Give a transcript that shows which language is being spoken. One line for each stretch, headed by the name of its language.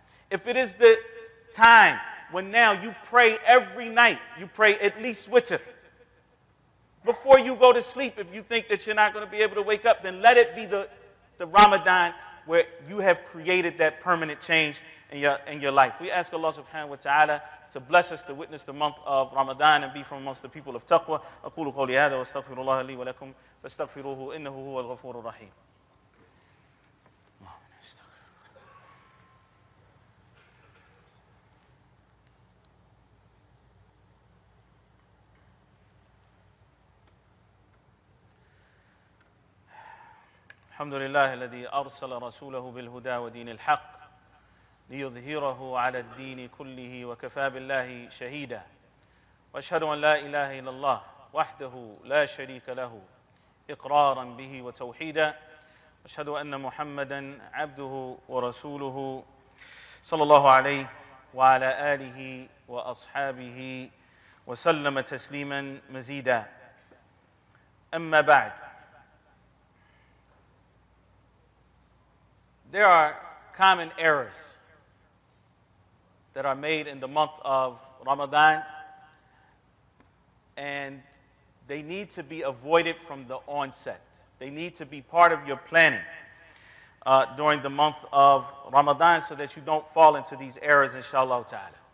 English: If it is the time when now you pray every night, you pray at least witr, before you go to sleep, if you think that you're not going to be able to wake up, then let it be the Ramadan where you have created that permanent change in your life. We ask Allah subhanahu wa ta'ala to bless us to witness the month of Ramadan and be from amongst the people of taqwa.
Arabic: أقول قولي هذا واستغفر الله لي ولكم فاستغفروه إنه هو الغفور الرحيم. الحمد لله الذي أرسل رسوله بالهدى ودين الحق ليظهره على الدين كله وكفى بالله شهيدا وأشهد أن لا إله إلا الله وحده لا شريك له إقرارا به وتوحيدا أشهد أن محمدا عبده ورسوله صلى الله عليه وعلى آله وأصحابه وسلم تسليما مزيدا أما بعد.
English: There are common errors that are made in the month of Ramadan, and they need to be avoided from the onset. They need to be part of your planning during the month of Ramadan so that you don't fall into these errors, inshallah ta'ala.